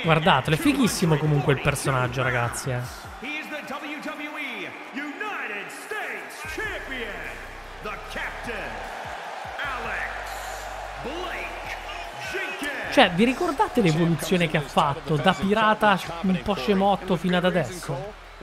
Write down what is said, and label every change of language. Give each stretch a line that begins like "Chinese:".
Italian: Guardatelo, è fighissimo comunque il personaggio, ragazzi.
English: He is the WWE United States Champion, the Captain Alex Blake Jenkins.
Italian: Cioè, vi ricordate l'evoluzione che ha fatto da pirata un po' scemotto fino ad adesso?